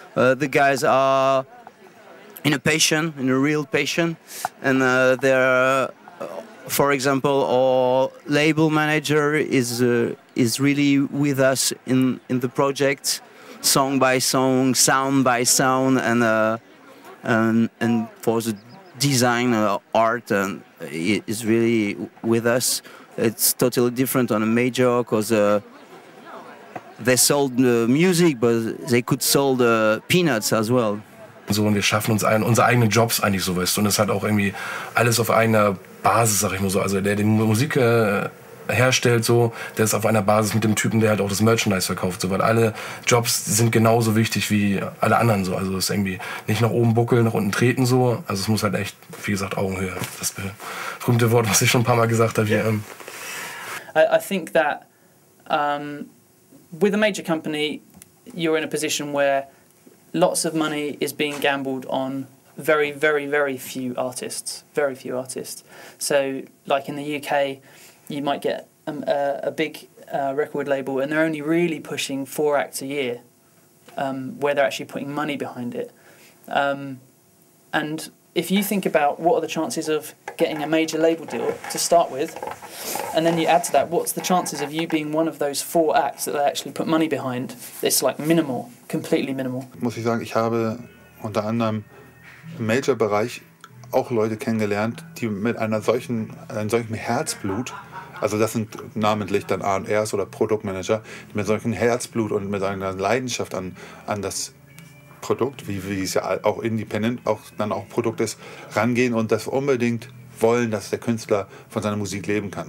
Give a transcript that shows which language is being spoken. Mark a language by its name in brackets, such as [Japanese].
[English] The guys are in a real passion, and they're, for example, our label manager is really with us in the project, song by song, sound by sound, and for the design art, and is really with us. It's totally different on a major, because they sold music, but they could sold peanuts as well. [German] So, und wir schaffen uns unsere eigenen Jobs eigentlich so, weißt du. Und es hat auch irgendwie alles auf einer Basis, sag ich mal so. Also der die Musik herstellt, so, der ist auf einer Basis mit dem Typen, der halt auch das Merchandise verkauft. So, weil alle Jobs sind genauso wichtig wie alle anderen. So, also es ist irgendwie nicht nach oben buckeln, nach unten treten so. Also es muss halt echt, wie gesagt, Augenhöhe. Das berühmte Wort, was ich schon ein paar Mal gesagt habe. Yeah. Hier, [English] I think that... with a major company, you're in a position where lots of money is being gambled on very, very, very few artists. Very few artists. So, like in the UK, you might get a big record label, and they're only really pushing 4 acts a year, where they're actually putting money behind it. And if you think about what are the chances of getting a major label deal to start with, and then you add to that, what's the chances of you being one of those 4 acts that they actually put money behind? It's like minimal, completely minimal. [German] Muss ich sagen, ich habe unter anderem im Major-Bereich auch Leute kennengelernt, die mit einem solchen Herzblut, also das sind namentlich dann A&Rs oder Produktmanager, die mit solchen Herzblut und mit einer Leidenschaft an das Produkt, wie es ja auch independent auch dann auch Produkt ist, rangehen und das unbedingt wollen, dass der Künstler von seiner Musik leben kann.